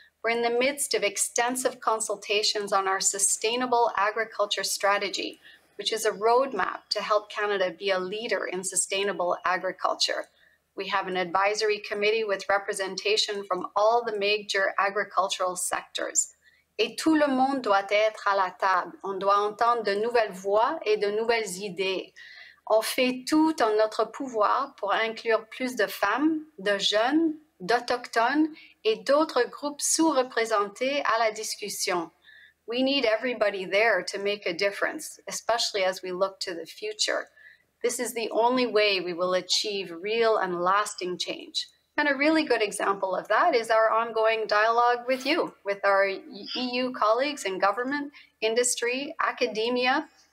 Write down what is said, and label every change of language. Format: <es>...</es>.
<en>We're in the midst of extensive consultations on our sustainable agriculture strategy, which is a roadmap to help Canada be a leader in sustainable agriculture. We have an advisory committee with representation from all the major agricultural sectors.</en> <fr>Et tout le monde doit être à la table. On doit entendre de nouvelles voix et de nouvelles idées. On fait tout en notre pouvoir pour inclure plus de femmes, de jeunes, d'autochtones et d'autres groupes sous-représentés à la discussion.</fr> <en>We need everybody there to make a difference, especially as we look to the future. This is the only way we will achieve real and lasting change. And a really good example of that is our ongoing dialogue with you, with our EU colleagues in government, industry, academia.</en>